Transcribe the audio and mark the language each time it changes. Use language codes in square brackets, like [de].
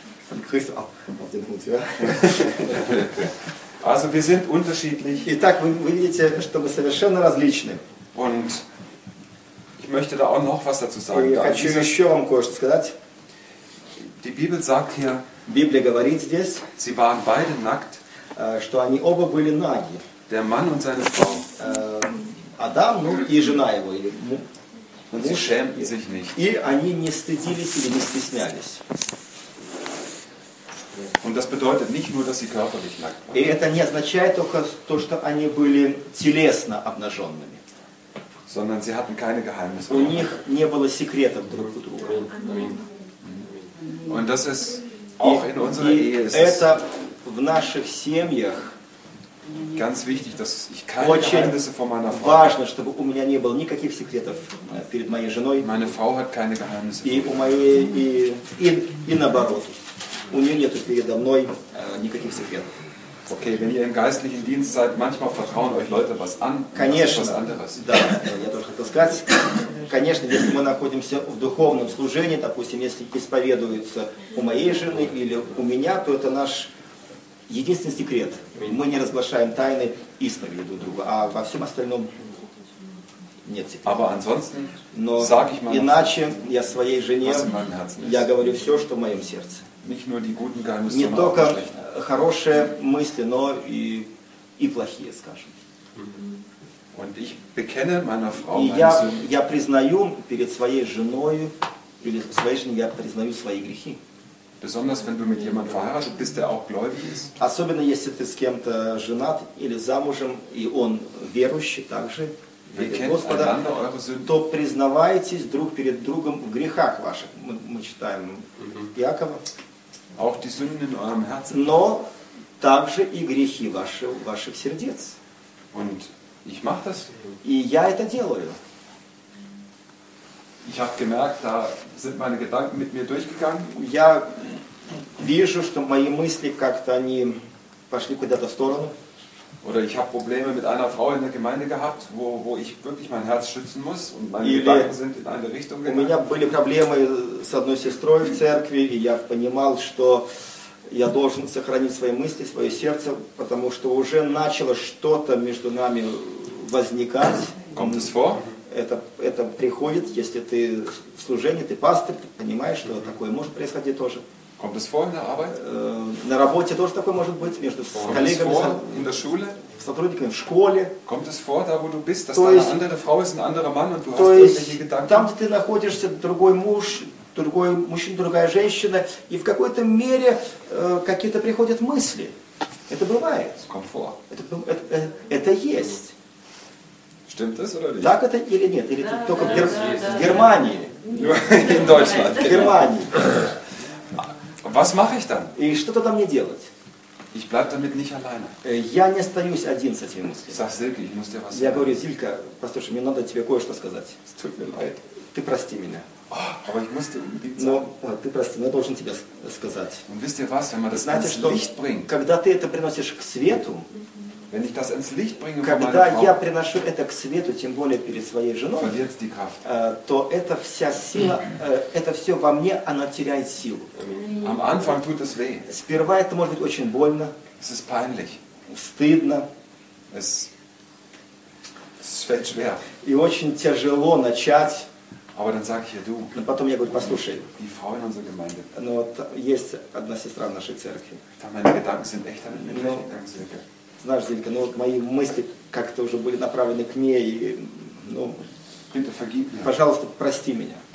[de] Dann kriegst du auch auf den Hut. Ja? Also wir sind unterschiedlich. [ru] Итак, вы видите, что мы совершенно различны. [de] Und ich möchte da auch noch was dazu sagen. [ru] Я хочу еще вам кое-что сказать. [de] Die Bibel sagt hier, [ru] Библия говорит здесь, [de] sie waren beide nackt, [ru] что они оба были наги. [de] Der Mann und seine Frau. [ru] Адам, ну и жена его. Или, ну, [de] und муж, sie schämten sich nicht. [ru] И они не стыдились или не стеснялись. [de] Und das bedeutet nicht nur, dass sie körperlich nackt waren. [ru] И это не означает только то, что они были телесно обнаженными. [de] Sondern sie hatten keine Geheimnisse. [ru] У них не было секретов друг у друга. [de] Und das ist auch in unserer Ehe. [ru] Это в наших семьях. [de] Ganz wichtig, dass ich keine Geheimnisse vor meiner Frau. [ru] Важно, чтобы у меня не было никаких секретов перед моей женой. [de] Meine Frau hat keine Geheimnisse. [ru] И у моей и наоборот. У нее нету передо мной никаких секретов. [de] Okay, wenn ihr im geistlichen Dienst seid, manchmal vertrauen euch Leute was an, [ru] конечно, [de] was anderes. [ru] Да, я тоже хотел сказать. Конечно, если мы находимся в духовном служении, допустим, если исповедуются у моей жены или у меня, то это наш единственный секрет. Мы не разглашаем тайны исповеди друг друга, а во всем остальном нет секрета. [de] Aber ansonsten, [ru] но [de] sag ich mal [ru] иначе noch, я своей жене, я говорю все, что в моем сердце. [de] Nicht nur die guten Geheimnisse, [ru] не только хорошие мысли, но и плохие, скажем. [de] Und ich bekenne meiner Frau [ru] и я признаю перед своей женой, или своей женой, я признаю свои грехи. [de] Besonders, wenn du mit jemandem verheiratet bist, der auch gläubig ist. [ru] Особенно, если ты с кем-то женат или замужем, и он верующий также, Господа, то признавайтесь друг перед другом в грехах ваших. Мы читаем Иакова. [de] Auch die Sünden in eurem Herzen. [ru] Но также и грехи ваших сердец. [de] Und ich mach das. [ru] И я это делаю. [de] Ich habe gemerkt, da sind meine Gedanken mit mir durchgegangen. [ru] Я вижу, что мои мысли как-то они пошли куда-то в сторону. [de] Oder ich habe Probleme mit einer Frau in der Gemeinde gehabt, wo ich wirklich mein Herz schützen muss und meine Или Gedanken sind in eine Richtung gegangen. [ru] У меня были проблемы с одной сестрой в церкви, и я понимал, что я должен сохранить свои мысли, свое сердце, потому что уже начало что-то между нами возникать. [de] Kommt es vor? [ru] Это приходит, если ты в служении, ты пастор, ты понимаешь, что такое может происходить тоже. [de] Kommt es vor in der Arbeit? [ru] На работе тоже такое может быть между коллегами. [de] Kommt es vor in der Schule? [ru] Сотрудниками в школе. [de] Kommt es vor da, wo du bist, dass deine andere Frau ist ein anderer Mann und du hast irgendwelche Gedanken? [ru] Там, где ты находишься, другой муж, другой мужчина, другая женщина, и в какой-то мере какие-то приходят мысли. Это бывает. [de] Kommt vor. [ru] Это есть. [de] Stimmt das oder nicht? [ru] Так это или нет? Или только в Германии? [de] In Deutschland. [ru] В Германии. [de] Was mache ich dann? [ru] И что тогда мне делать? [de] Ich bleib damit nicht alleine. [ru] Я не остаюсь один с этими мыслями. [de] Sag Silke, ich muss dir was sagen. [ru] Я говорю, Silke, послушай, мне надо тебе кое-что сказать. [de] Es tut mir leid. [ru] Ты прости меня. [de] Aber ich muss dir unbedingt sagen. [ru] Но ты прости, я должен тебе сказать. [de] Und wisst ihr was, wenn man das ans Licht bringt? [ru] Когда ты это приносишь к свету, [de] wenn ich das ins Licht bringe, [ru] когда я приношу это к свету, тем более перед своей женой, [de] verliert's die Kraft. [ru] То это вся сила, это все во мне, она теряет силу. [de] Am Anfang tut es weh. [ru] Сперва это может быть очень больно. [de] Es ist peinlich. [ru] Стыдно. [de] Es fällt schwer. [ru] И очень тяжело начать. [de] Aber dann sag ich ja, du, [ru] но потом я говорю, послушай, [de] die Frau in unserer Gemeinde. [ru] Но вот есть одна сестра в нашей церкви. [de] Там meine Gedanken sind echt an den Gedanken. [ru] Знаешь, Зинка, ну вот мои мысли как-то уже были направлены к ней, и, ну, [de] bitte vergib mir. [ru] Пожалуйста, прости меня.